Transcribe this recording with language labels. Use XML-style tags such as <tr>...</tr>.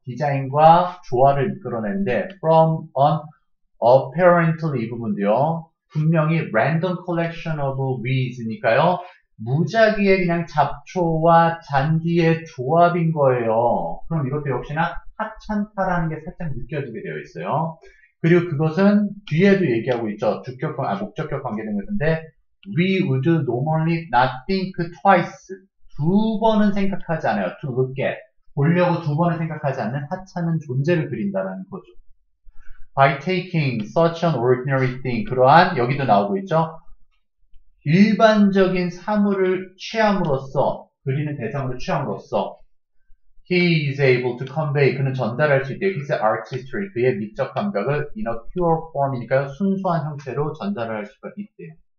<ko>디자인과 조화를 이끌어낸대.</ko> <en>From an apparently</en> <ko>이 부분도요. 분명히</ko> <en>random collection of weeds니까요.</en> <ko>무작위에 그냥 잡초와 잔디의 조합인 거예요. 그럼 이것도 역시나 하찮다라는 게 살짝 느껴지게 되어 있어요. 그리고 그것은 뒤에도 얘기하고 있죠. 주격과 목적격 관계된 것인데,</ko> <en>we would normally not think twice.</en> <ko>두 번은 생각하지 않아요.</ko> <en>To look at.</en> <ko>보려고 두 번은 생각하지 않는 하찮은 존재를 그린다라는 거죠.</ko> <en>By taking such an ordinary thing.</en> <ko>그러한, 여기도 나오고 있죠. 일반적인 사물을 취함으로써, 그리는 대상으로 취함으로써,</ko> <en>he is able to convey,</en> <ko>그는 전달할 수 있대요.</ko> <en>his artistry,</en> <ko>그의 미적 감각을</ko> <en>in a pure form</en> <ko>이니까 순수한 형태로 전달할 수가 있대요.</ko>